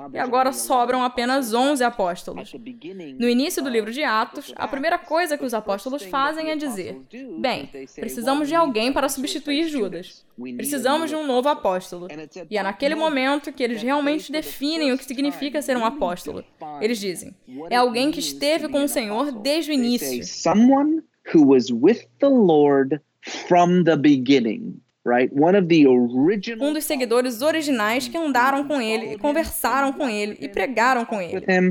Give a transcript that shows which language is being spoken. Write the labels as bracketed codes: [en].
[pt] E agora sobram apenas 11 apóstolos. No início do livro de Atos, a primeira coisa que os apóstolos fazem é dizer: bem, precisamos de alguém para substituir Judas. Precisamos de um novo apóstolo. E é naquele momento que eles realmente definem o que significa ser um apóstolo. Eles dizem: é alguém que esteve com o Senhor desde o início. [en] Someone who was with the Lord from the beginning. Right? One of the original. [pt] Um dos seguidores originais que andaram com ele, conversaram com ele e pregaram com ele.